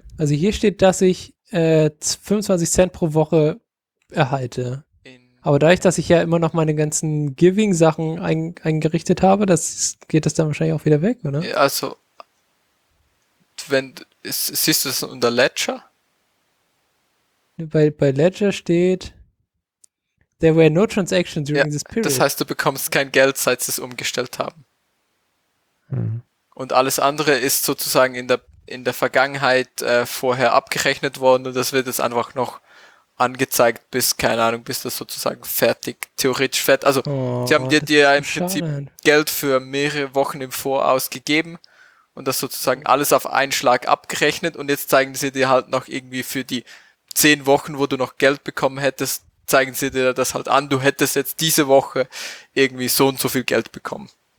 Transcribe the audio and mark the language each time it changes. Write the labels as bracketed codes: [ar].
[de] Also hier steht, dass ich 25 Cent pro Woche erhalte. Aber dadurch, dass ich ja immer noch meine ganzen Giving-Sachen eingerichtet habe, das geht das dann wahrscheinlich auch wieder weg, oder? Also, wenn siehst du das unter Ledger? Bei Ledger steht, [en] there were no transactions during this period. [de] Das heißt, du bekommst kein Geld, seit sie es umgestellt haben. Und alles andere ist sozusagen in der Vergangenheit vorher abgerechnet worden und das wird jetzt einfach noch angezeigt, bis, keine Ahnung, bis das sozusagen fertig, theoretisch fertig. Also, sie haben dir ja im Prinzip Geld für mehrere Wochen im Voraus gegeben und das sozusagen alles auf einen Schlag abgerechnet und jetzt zeigen sie dir halt noch irgendwie für die 10 Wochen, wo du noch Geld bekommen hättest, zeigen sie dir das halt an, du hättest jetzt diese Woche irgendwie so und so viel Geld bekommen.